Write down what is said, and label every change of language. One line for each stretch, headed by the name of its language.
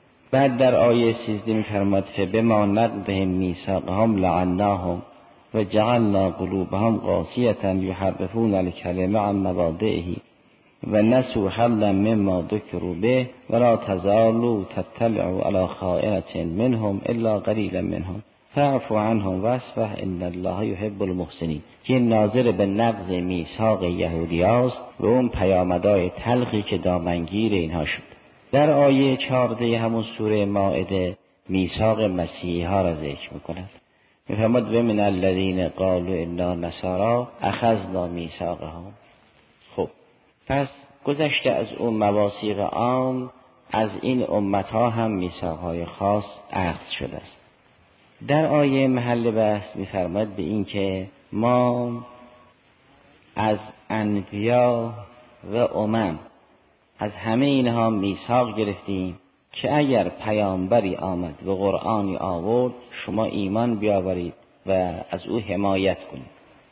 Persian: بعد در آیه 13 می‌فرماید
Arabic: فبما نقضهم میثاقهم لعناهم و جعلنا قلوبهم قاسیتا یحرفون الکلمه عن مواضعه و نسوا حظا مما ذکروا به و لا تزالوا تتبعوا على خائنة منهم الا قليلا منهم فاعف عنهم واصفح ان الله يحب المحسنين.
Persian: که ناظر به نقض میثاق یهودیاست و اون پیامدهای تلخی که دامنگیر اینها شد. در آیه 14 همون سوره مائده میثاق مسیحی ها را ذکر میکند.
Arabic: فرمود و من الذين قالوا انا نصارى اخذنا ميثاقهم.
Persian: خب پس گذشته از اون مواثیق عام، از این امت ها هم میثاق های خاص اخذ شده است. در آیه محل بحث میفرماید به این که ما از انبیا و امم، از همه اینها میثاق گرفتیم که اگر پیامبری آمد و قرآنی آورد، شما ایمان بیاورید و از او حمایت کنید.